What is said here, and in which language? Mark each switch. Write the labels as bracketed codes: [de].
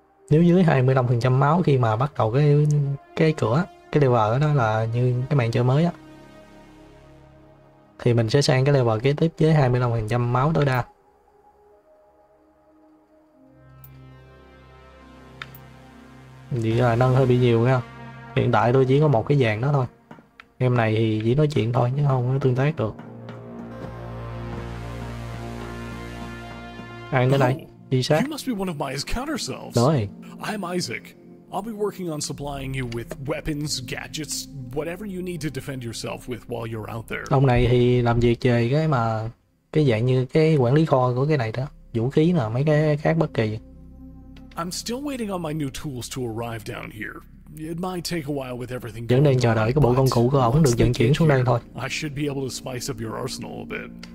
[vi] Nếu dưới 25% máu khi mà bắt đầu cái cửa, cái level đó là như cái màn chơi mới á, thì mình sẽ sang cái level kế tiếp với 25% máu tối đa. Vậy là nâng hơi bị nhiều nha. Hiện tại tôi chỉ có một cái vàng đó thôi. Em này thì chỉ nói chuyện thôi chứ không có tương tác được. Ăn tới đây. Isaac. [en] You must be one of Maya's counter-selves. [vi] Rồi. [en] I'm Isaac. I'll be working on supplying you with weapons, gadgets, whatever you need to defend yourself with while you're out there. [vi] Ông này thì làm việc về cái mà cái dạng như cái quản lý kho của cái này đó, vũ khí nè, mấy cái khác bất kỳ. [en] I'm still waiting on my new tools to arrive down here. It might take a while with everything. [vi] Vẫn đang chờ đợi cái bộ công cụ của ổng được vận chuyển xuống đây thôi. [en] I should be able to spice up your arsenal a bit.